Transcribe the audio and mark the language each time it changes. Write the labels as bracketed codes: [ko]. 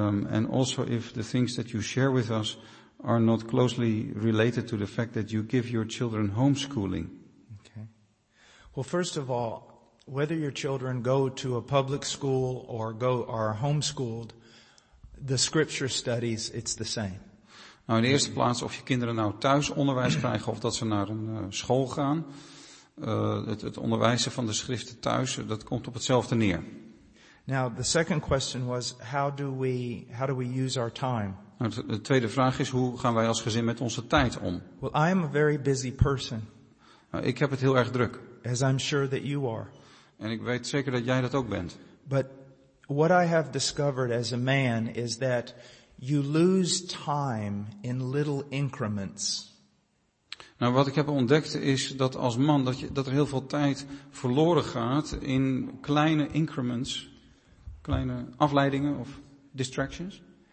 [en] And also if the things that you share with us are not closely related to the fact that you give your children homeschooling. Well, first of all, whether your children go to a public school or are homeschooled, the scripture studies, it's the same. [nl] Nou, in de eerste plaats, of je kinderen nou thuis onderwijs krijgen of dat ze naar een school gaan, het onderwijzen van de schriften thuis, dat komt op hetzelfde neer. [en] Now the second question was how do we use our time? [nl] De tweede vraag is hoe gaan wij als gezin met onze tijd om? [en] Well, I am a very busy person. [nl] Ik heb het heel erg druk. [en] As I'm sure that you are. [nl] En ik weet zeker dat jij dat ook bent. [en] But what I have discovered as a man is that you lose time in little increments. [nl] Nou, wat ik heb ontdekt is dat als man dat er heel veel tijd verloren gaat in kleine increments, kleine afleidingen of distractions.